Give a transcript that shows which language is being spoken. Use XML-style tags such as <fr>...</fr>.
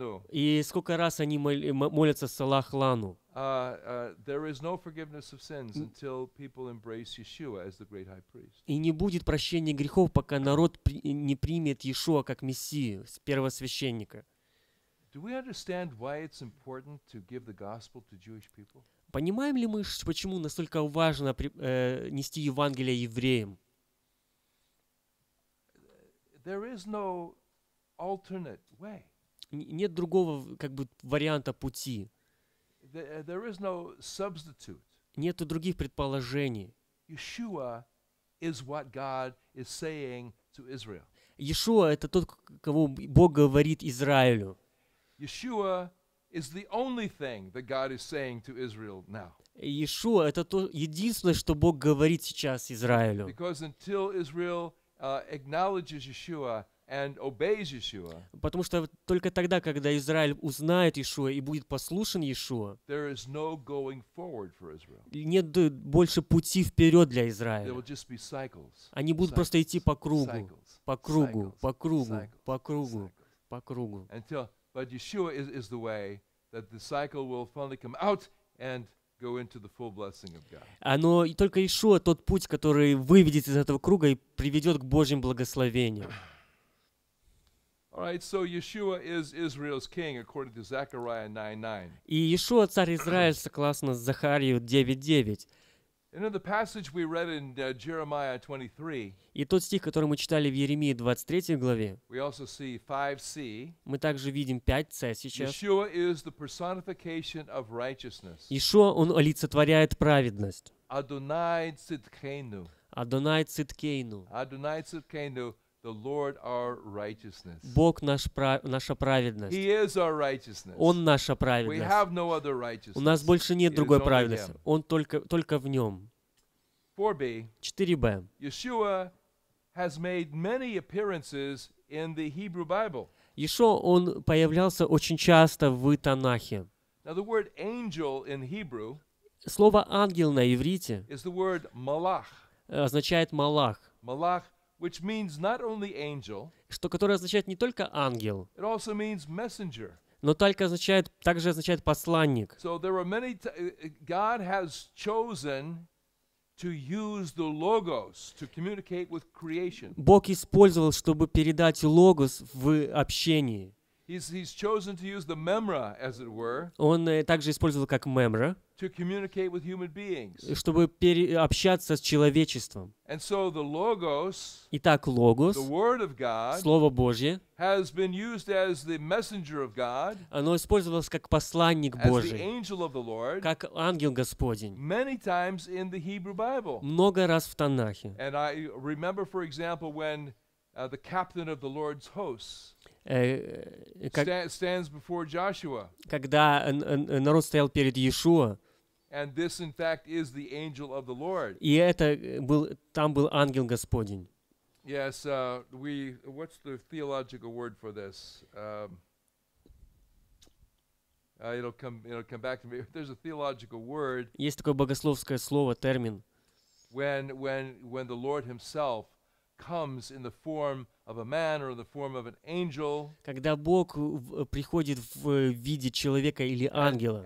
<ru>И сколько раз они молятся Салах-Лану.</ru> <en>There is no forgiveness of sins until people embrace Yeshua as the great high priest.</en> <ru>И не будет прощения грехов, пока народ не примет Иешуа как Мессию, первосвященника.</ru> <en>Do we understand why it's important to give the gospel to Jewish people?</en> <ru>Понимаем ли мы, почему настолько важно нести Евангелие евреям?</ru> <en>There is no alternate way.</en> <ru>Нет другого, как бы, варианта пути.</ru> <en>There is no substitute.</en> <ru>Нету других предположений.</ru> <en>Yeshua is what God is saying to Israel.</en> <ru>Иешуа это тот, кого Бог говорит Израилю.</ru> <en>Yeshua is the only thing that God is saying to Israel now.</en> <ru>Иешуа это то единственное, что Бог говорит сейчас Израилю.</ru> <en>Because until Israel acknowledges Yeshua and obeys Yeshua.</en> <ru>Потому что только тогда, когда Израиль узнает Иешуа и будет послушен Иешуа,</ru> <en>there is no going forward for Israel.</en> <ru>Нет больше пути вперед для Израиля.</ru> <en>There will just be cycles.</en> <ru>Они будут</ru> <en>cycles,</en> <ru>просто идти по кругу,</ru> <en>cycles,</en> <ru>по кругу, cycles, по кругу, cycles, по кругу, cycles, по кругу.</ru> <en>Until, but Yeshua is the way that the cycle will finally come out and go into the full blessing of God.</en> <ru>Оно и только Иешуа тот путь, который выведет из этого круга и приведет к Божьим благословениям.</ru> <en>All right, so Yeshua is Israel's king according to Zechariah 9:9.</en> <ru>И Иешуа царь Израиля согласно Захарии 9:9.</ru> <en>And in the passage we read in Jeremiah 23.</en> <ru>И тот стих, который мы читали в Иеремии 23 главе.</ru> <en>We also see 5C.</en> <ru>Мы также видим 5C сейчас.</ru> <en>Yeshua is the personification of righteousness.</en> <ru>Иешуа он олицетворяет праведность.</ru> <he>Adonai Tzidkenu. Adonai Tzidkenu.</he> <en>Adonai Tzidkenu. The Lord our righteousness.</en> <ru>Бог наш наша праведность.</ru> <en>He is our righteousness.</en> <ru>Он наша праведность.</ru> <en>We have no other righteousness.</en> <ru>У нас больше нет другой праведности. Он только в нем.</ru> <en>4b. 4b. Yeshua has made many appearances in the Hebrew Bible.</en> <ru>Иешуа он появлялся очень часто в Танахе.</ru> <en>Now the word angel in Hebrew.</en> <ru>Слово ангел на иврите.</ru> <en>Is the word malach.</en> <ru>Означает малах.</ru> <he>Malach.</he> <en>Which means not only angel,</en> <ru>что которое означает не только ангел,</ru> <en>it also means messenger.</en> <ru>Но только означает, также означает посланник.</ru> <en>So there are many God has chosen to use the logos to communicate with creation.</en> <ru>Бог использовал, чтобы передать логос в общении.</ru> <en>He's chosen to use the memra, as it were.</en> <ru>Он также использовал как мемра.</ru> <en>To communicate with human beings.</en> <ru>Чтобы общаться с человечеством.</ru> <en>And so the logos.</en> <ru>Итак, логос.</ru> <en>The word of God.</en> <ru>Слово Божье.</ru> <en>Has been used as the messenger of God.</en> <ru>Оно использовалось как посланник Божий.</ru> <en>As the angel of the Lord.</en> <ru>Как ангел Господень.</ru> <en>Many times in the Hebrew Bible.</en> <ru>Много раз в Танахе.</ru> <en>And I remember, for example, when the captain of the Lord's hosts. Stands before Joshua.</en> <ru>Когда народ стоял перед Иешуа.</ru> <en>And this, in fact, is the angel of the Lord.</en> <ru>И это был там был ангел Господень.</ru> <en>Yes, we. What's the theological word for this? It'll come back to me. There's a theological word.</en> <ru>Есть такое богословское слово термин.</ru> <en>When the Lord Himself comes in the form of a man or in the form of an angel.</en> <ru>Когда Бог приходит в виде человека или ангела.</ru>